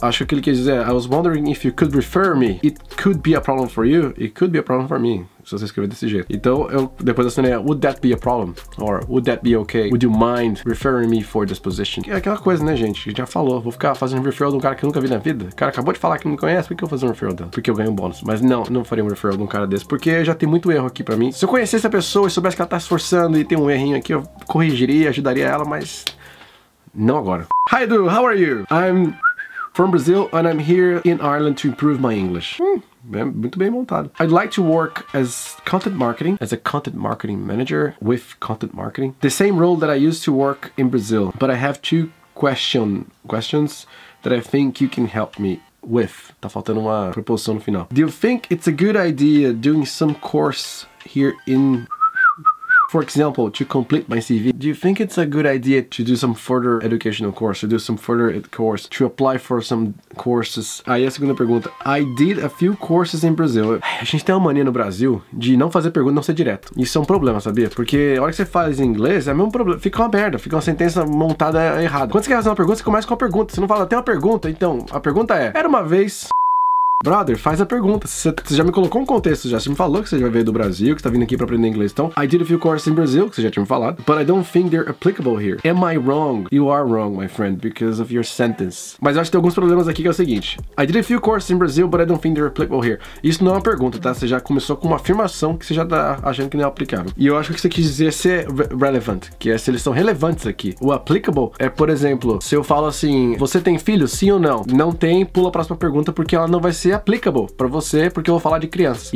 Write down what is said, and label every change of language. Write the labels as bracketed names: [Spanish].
[Portuguese] Acho que ele quis dizer, [English] I was wondering if you could refer me. It could be a problem for you. It could be a problem for me. [Portuguese] Se você escrever desse jeito. Então, eu depois assinei, [English] would that be a problem? Or, would that be okay? Would you mind referring me for this position? [Portuguese] Que é aquela coisa, né, gente? A gente já falou. Vou ficar fazendo referral de um cara que eu nunca vi na vida? O cara acabou de falar que não me conhece, por que eu vou fazer um referral dele? Porque eu ganho um bônus. Mas não, não faria um referral de um cara desse, porque já tem muito erro aqui pra mim. Se eu conhecesse a pessoa e soubesse que ela tá se esforçando e tem um errinho aqui, eu corrigiria, ajudaria ela, mas não agora. [English] Hi, Edu, how are you? I'm from Brazil and I'm here in Ireland to improve my English. [Portuguese] Muito bem montado. [English] I'd like to work as a content marketing manager with content marketing. The same role that I used to work in Brazil. But I have 2 questions that I think you can help me with. [Portuguese] Tá faltando uma preposição no final. [English] Do you think it's a good idea doing some course here in, for example, to complete my CV? Do you think it's a good idea to do some further educational course, to do some further course, to apply for some courses? [Portuguese] Aí a segunda pergunta. [English] I did a few courses in Brazil. [Portuguese] A gente tem uma mania no Brasil de não fazer pergunta, não ser direto. Isso é um problema, sabia? Porque a hora que você faz em inglês, é o mesmo problema. Fica uma merda, fica uma sentença montada errada. Quando você quer fazer uma pergunta, você começa com uma pergunta. Você não fala, tem uma pergunta? Então, a pergunta é, era uma vez. Brother, faz a pergunta. Você já me colocou um contexto já. Você me falou que você já veio do Brasil, que tá vindo aqui pra aprender inglês. [English] Então, I did a few courses in Brazil, [Portuguese] que você já tinha me falado. [English] But I don't think they're applicable here. Am I wrong? You are wrong, my friend, because of your sentence. [Portuguese] Mas eu acho que tem alguns problemas aqui, que é o seguinte. [English] I did a few courses in Brazil, but I don't think they're applicable here. [Portuguese] Isso não é uma pergunta, tá? Você já começou com uma afirmação que você já tá achando que não é aplicável. E eu acho que o que você quis dizer é ser relevant, que é se eles são relevantes aqui. O applicable é, por exemplo, se eu falo assim, você tem filho? Sim ou não? Não tem, pula a próxima pergunta, porque ela não vai ser applicable pra você, porque eu vou falar de criança.